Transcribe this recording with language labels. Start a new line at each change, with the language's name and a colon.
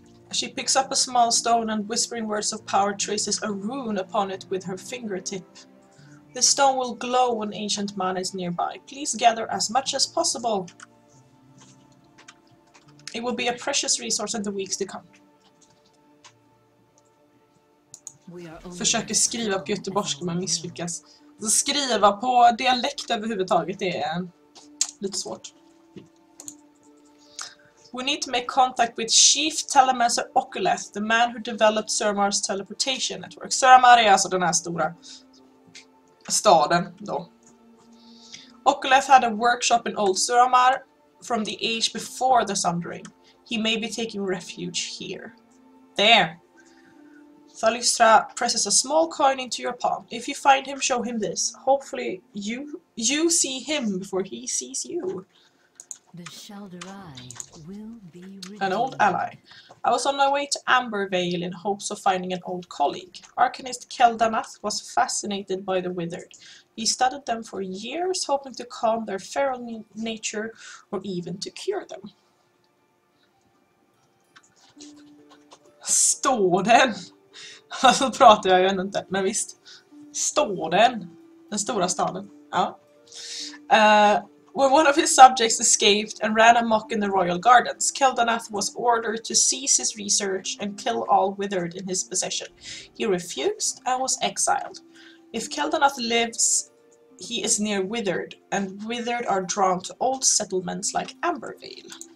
English: She picks up a small stone and, whispering words of power, traces a rune upon it with her fingertip. The stone will glow when ancient mana is nearby. Please gather as much as possible. It will be a precious resource in the weeks to come.
Swedish: Försöker skriva på göteborgska men misslyckas. Så skriva på dialekt överhuvudtaget är lite svårt.
English: We need to make contact with Chief Telemancer Oculeth, the man who developed Suramar's teleportation network.
Swedish: Suramar är alltså den här stora staden då.
English: Oculeth had a workshop in Old Suramar from the age before the Sundering. He may be taking refuge here. There. Thalysra presses a small coin into your palm. If you find him, show him this. Hopefully you see him before he sees you. The Shaldarai will be redeemed. An old ally. I was on my way to Ambervale in hopes of finding an old colleague. Arcanist Kel'Danath was fascinated by the Withered. He studied them for years, hoping to calm their feral nature or even to cure them.
Swedish: Ståden! Alltså pratar jag ju ännu inte, men visst. Ståden! Den stora staden. Ja.
English: When one of his subjects escaped and ran amok in the royal gardens, Kel'Danath was ordered to cease his research and kill all Withered in his possession. He refused and was exiled. If Kel'Danath lives, he is near Withered, and Withered are drawn to old settlements like Ambervale.